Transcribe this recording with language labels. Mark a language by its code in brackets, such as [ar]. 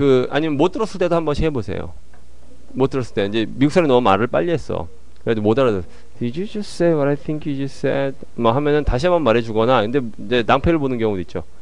[ko] 아니면 못 들었을 때도 한 번씩 해보세요. 못 들었을 때. 이제 미국 사람이 너무 말을 빨리 했어. 그래도 못 알아들었어. [en] Did you just say what I think you just said? [ko] 뭐 하면은 다시 한번 말해주거나, 근데 이제 낭패를 보는 경우도 있죠.